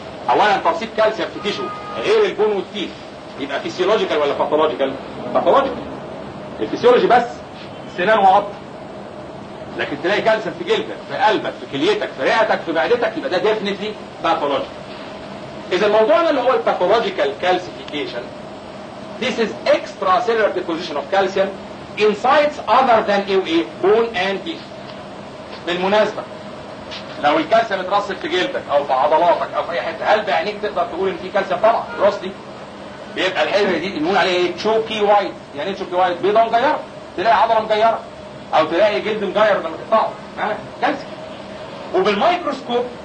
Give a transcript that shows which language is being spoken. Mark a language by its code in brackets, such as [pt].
[ar] اولا ترسيب كالسيوم في تيشو غير البون والتيف، يبقى فيسيولوجيكال ولا باثولوجيكال؟ باثولوجيكال. الفيسيولوجي بس سنان وعظم، لكن تلاقي كالسيوم في جلدك في قلبك في كليتك في رئتك في معدتك، يبقى ده ديفينتلي باثولوجيكال. اذا موضوعنا اللي هو الباثولوجيكال كالسيفيكيشن، [en] this is extracellular deposition of calcium in sites other than AOA bone and teeth. [ar] بالمناسبه لو الكالسيوم اترسب في جلدك او في عضلاتك او في اي حته، هل بعينيك تقدر تقول ان في كالسيوم طلع؟ رصدي بيبقى الحته دي نقول عليها ايه؟ تشوكي وايت. يعني ايه تشوكي وايت؟ بيضه مغيره، تلاقي عضله مغيره، او تلاقي جلد مغير لما تقطعه. ها كالسيوم. وبالمايكروسكوب